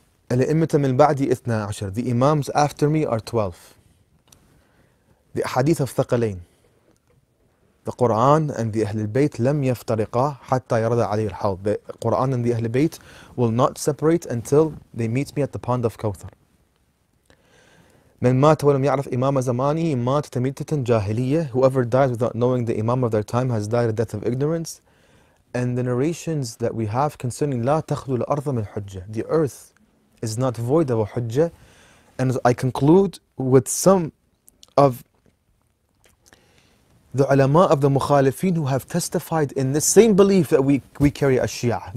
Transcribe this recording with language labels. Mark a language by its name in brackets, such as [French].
[Arabic] Al-Immata min ba'di ithna ashar. [English] The Imams after me are 12. The Hadith of Thaqalain. The Qur'an and the Ahlul Bayt [Arabic] لم يفترقا حتى يرضى عليه الحوض. [English] The Qur'an and the Ahlul Bayt will not separate until they meet me at the pond of Kawthar. [Arabic] من مات ولم يعرف إمام زمانه مات تميتة جاهلية. [English] Whoever dies without knowing the Imam of their time has died a death of ignorance. And the narrations that we have concerning [Arabic] لا تخلو الأرض من حجة. [English] The earth is not void of a حجة. And I conclude with some of the ulama of the Mukhalifin who have testified in this same belief that we carry as Shia.